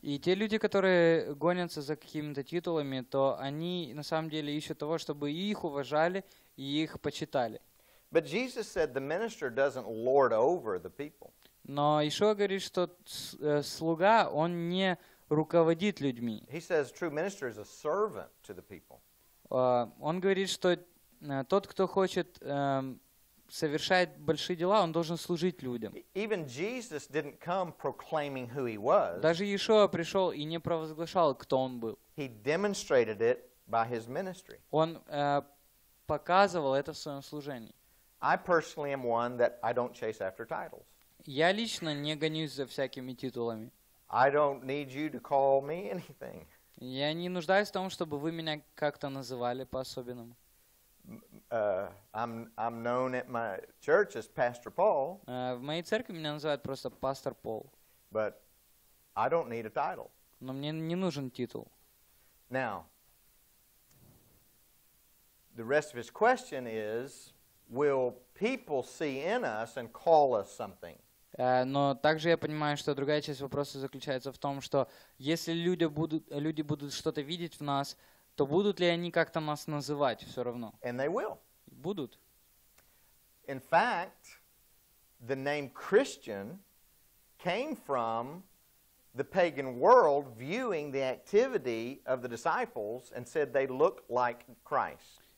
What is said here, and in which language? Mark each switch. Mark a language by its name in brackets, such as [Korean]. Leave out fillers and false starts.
[Russian] И те люди, которые гонятся за какими-то титулами, то они на самом деле ищут того, чтобы их уважали и их почитали. [English] But Jesus said the minister doesn't lord over the people. [Russian] Но Иешуа говорит, что слуга, он не руководит людьми. [English] He says true minister is a servant to the people. [Russian] Он говорит, что тот, кто хочет совершает большие дела, он должен служить людям. [English] Even Jesus didn't come proclaiming who he was. [Russian] Даже Иешуа пришел и не провозглашал, кто он был. [English] He demonstrated it by his ministry. [Russian] Он показывал это в своем служении. [English] I personally am one that I don't chase after titles. [Russian] Я лично не гонюсь за всякими титулами. [English] I don't need you to call me anything. [Russian] Я не нуждаюсь в том, чтобы вы меня как-то называли по-особенному. [English] I'm known at my church as Pastor Paul. [Russian] В моей церкви меня называют просто Пастор Пол. [English] But I don't need a title. [Russian] Но мне не нужен титул. [English] Now, the rest of his question is, will people see in us and call us something? [Russian] Но также я понимаю, что другая часть вопроса заключается в том, что если люди будут что-то видеть в нас, то будут ли они как-то нас называть все равно? [English] And they will. [Russian] Будут. [English] In fact, the name Christian came from the pagan world viewing the activity of the disciples and said they look like Christ.